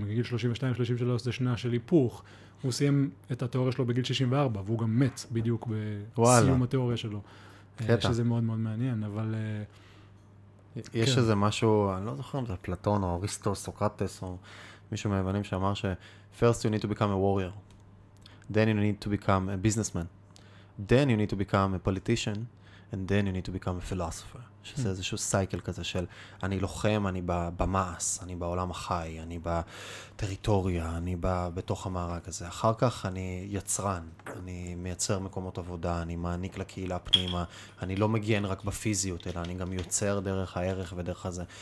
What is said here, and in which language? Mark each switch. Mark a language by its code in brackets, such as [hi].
[he] בגיל 32-33 זה שנה של היפוך. הוא סיים את התיאוריה שלו בגיל 64, והוא גם מת בדיוק בסיום התיאוריה שלו. קטע. שזה מאוד מאוד מעניין, אבל... יש איזה משהו, אני לא זוכר אם זה פלטון או אריסטו, סוקרטס, או מישהו מהיוונים שאמר ש- [en] First you need to become a warrior. Then you need to become a businessman. Then you need to become a politician. And then you need to become a philosopher. [he] שזה איזשהו סייקל כזה של אני לוחם, אני במעש, אני בעולם החי, אני בטריטוריה, אני בתוך המערג הזה. אחר כך אני יצרן, אני מייצר מקומות עבודה, אני מעניק לקהילה פנימה, אני לא מגיין רק בפיזיות, אלא אני גם יוצר דרך הערך ודרך הזה.